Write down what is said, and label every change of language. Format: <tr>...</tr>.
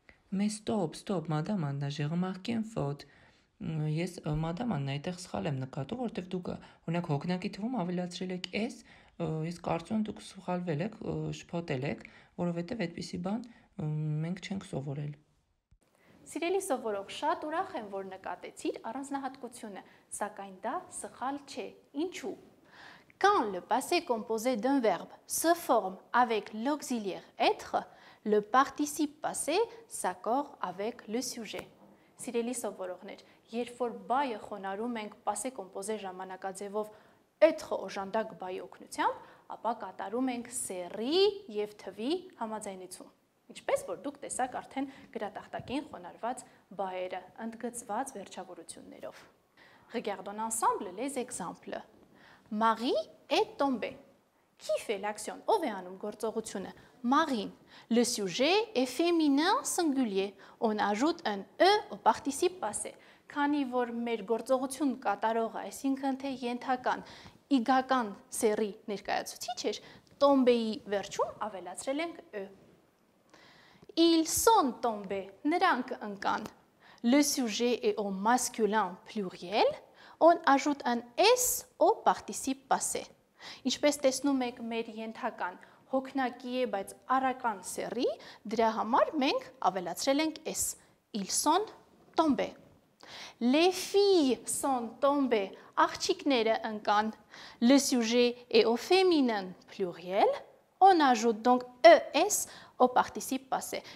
<fr>Mais stop, stop, madame, j'ai remarqué une faute.</fr> <hy>Ես մադաման այդտեղ սխալ եմ նկատում, որովհետև դուք օրինակ հոգնակի թվում ավելացրել եք «էս», ես կարծում եմ դուք սխալվել եք, շփոթել եք, որովհետև այդպիսի բան մենք չենք սովորել։ Սիրելի սովորող, շատ ուրախ եմ, որ նկատեցիր առանձնահատկությունը, սակայն դա սխալ չէ։ Ինչու?</hy> <fr>Quand le passé composé d'un verbe se forme avec l'auxiliaire être, le participe passé s'accorde avec le sujet.</fr> <hy>Սիրելի սովորողներ, երբ որ բայը խոնարհում ենք passé composé ժամանակաձևով être օժանդակ բայի օգնությամբ, ապա կատարում ենք սեռի եւ թվի համաձայնություն։ Ինչպես որ դուք տեսաք արդեն գրատախտակին խոնարհված բայերը ընդգծված վերջավորություններով։</hy> <fr>Regardons ensemble les exemples. Marie est tombée. Qui fait l'action?</fr> <hy>Ով է անում գործողությունը?</hy> <fr>Marie. Le sujet est féminin singulier. On ajoute un e au participe passé.</fr> <hy>Քանի որ մեր գործողություն կատարողը, այսինքն թե ենթական, իգական սեռի ներկայացուցիչ էր, tombée-ի վերջում ավելացրել ենք e.</hy> <fr>Ils sont tombés.</fr> <hy>Նրանք ընկան.</hy> <fr>Le sujet est au masculin pluriel. On ajoute un s au participe passé.</fr> <hy>Ինչպես տեսնում եք, մեր ենթական հոգնակի է, բայց առական սեռի, դրա համար մենք ավելացրել ենք s.</hy> <fr>Ils sont tombés. Les filles sont tombées.</fr> <hy>Աղջիկները ընկան.</hy> <fr>Le sujet est au féminin pluriel. On ajoute donc es au participe passé.</fr>